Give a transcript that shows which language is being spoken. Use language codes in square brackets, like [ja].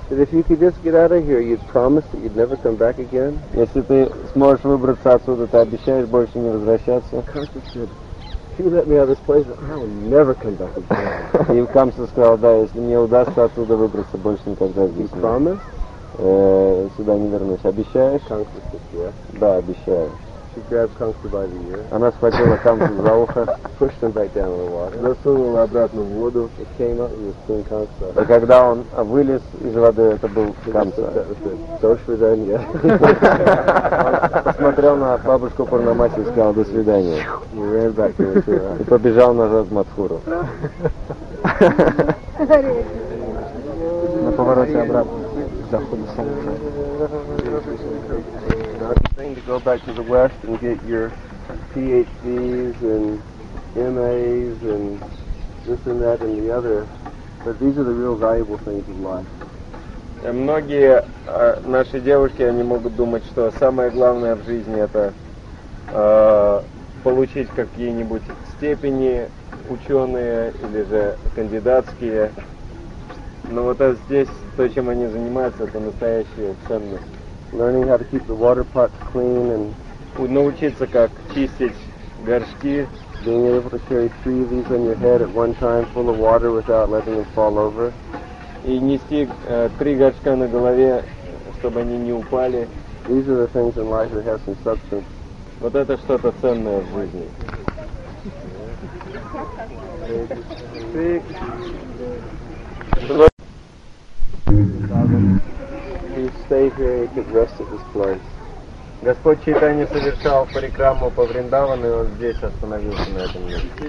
[en] That if you could just get out of here, you'd promise that you'd never come back again? [ru] Если ты сможешь выбраться отсюда, ты обещаешь больше не возвращаться? [en] You let me out of this place, I will never come back again. [ru] И Камса сказал, да, если мне удастся оттуда выбраться, больше никогда здесь. [en] You promise? [ru] Сюда не вернусь. Обещаешь? Камса сказал, да, обещаю. [en] she grabbed Kamsa by the ear. [ru] Она схватила Камсу за ухо. [en] Pushed him back down in the water. [ru] Засунула обратно в воду. [en] It came up, it was still Kamsa. [ru] И когда он вылез из воды, это был Камсу. До свидания. Посмотрел на бабушку Пурнамаси и сказал до свидания. [en] He ran back to Mathura. [ru] И побежал назад в Матхуру. На повороте обратно. Заходу солнца. [en] To go back to the West and get your PhDs and MAs and this and that and the other, but these are the real valuable things in life. [ru] Многие наши девушки, они могут думать, что самое главное в жизни это получить какие-нибудь степени ученые или же кандидатские. Но вот здесь то, чем они занимаются, это настоящая ценность. [en] Learning how to keep the water pots clean and [ru] научиться как чистить горшки. [en] Being able to carry three of these on your head at one time, full of water, without letting them fall over. [ru] И нести три горшка на голове, чтобы они не упали. [en] These are the things in life that have some substance. [ru] Вот это что-то ценное в жизни. [en] Stay here, you could rest at this place. [ru] Господь Чайтанья совершал парикраму по Вриндавану, и он здесь остановился на этом месте.